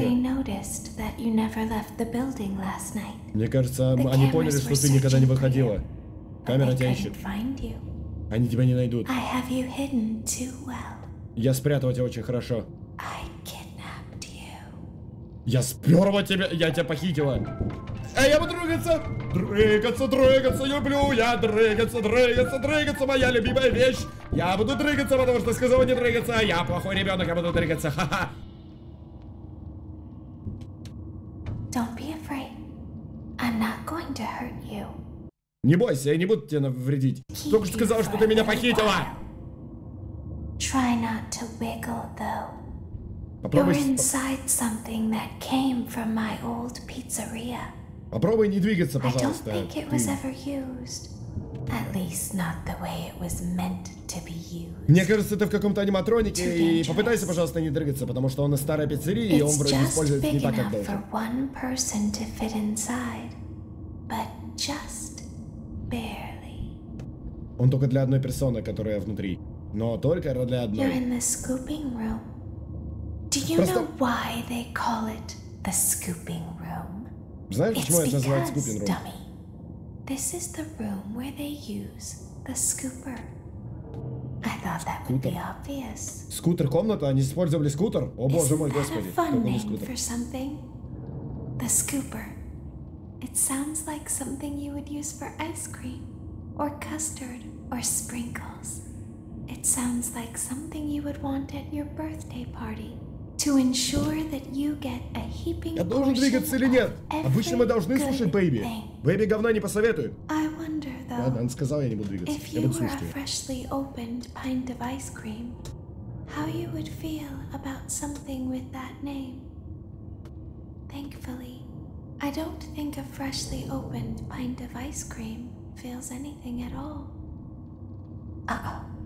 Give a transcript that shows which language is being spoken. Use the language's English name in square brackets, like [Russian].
[English] I think they noticed that you never left the building last night. [Russian] Мне кажется, они поняли, что ты никогда не выходила. Камера тебя ищет. Они тебя не найдут. [English] I have you hidden too well. [Russian] Я спрятал тебя очень хорошо. [English] I kidnapped you. [Russian] Я сперва тебя... Я тебя похитила. Эй, я буду дрыгаться! Дрыгаться, дрыгаться, люблю я! Дрыгаться, дрыгаться, дрыгаться, моя любимая вещь! Я буду дрыгаться, потому что сказала не дрыгаться, а я плохой ребенок, я буду дрыгаться, ха-ха! [English] Don't be afraid. I'm not going to hurt you. [Russian] Не бойся, я не буду тебе навредить. Keep Только сказал, что ты меня похитила! [English] Try not to wiggle, though. You're inside something that came from my old pizzeria. [Russian] Попробуй не двигаться, пожалуйста. [English] I don't think it was ever used. At least not the way it was meant to be used. [Russian] Мне кажется, это в каком-то аниматронике, и попытайся, пожалуйста, не дрыгаться, потому что он из старой пиццерии, и он вроде используется не так, как должен. [English] It's just big enough for one person to fit inside, but just barely. [Russian] Он только для одной персоны, которая внутри, но только для одной. [English] You're in the scooping room. Do you know why they call it the scooping room? [Russian] Знаешь, почему это называют [English] scooping room? This is the room where they use the scooper. I thought that would be obvious. [Russian] Скутер комната, они использовали скутер. О боже мой, господи. [English] Fun name for something. The scooper. It sounds like something you would use for ice cream or custard or sprinkles. It sounds like something you would want at your birthday party. To ensure that you get a heaping portion. [Russian] Я должен двигаться или нет? Обычно мы должны слушать Бэйби. Бэйби говна не посоветует. [English] I wonder though. [Russian] Ладно, он сказал, я не буду двигаться. [English] If you were a freshly opened pint of ice cream, how you would feel about something with that name? Thankfully, I don't think a freshly opened pint of ice cream feels anything at all. Uh-oh.